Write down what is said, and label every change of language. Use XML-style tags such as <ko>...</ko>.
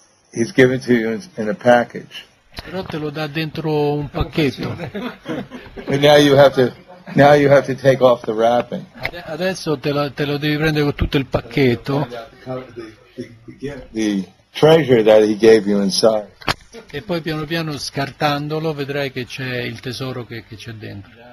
<en>He's given to you in a package.</en> <it>Però te lo dà dentro un pacchetto.</it> <en>And now you have to take off the wrapping.</en> <it>Adesso te lo devi prendere con tutto il pacchetto.</it> <en>The treasure that he gave you inside.</en> <it>e poi piano piano scartandolo vedrai che c'è il tesoro che c'è dentro.</it>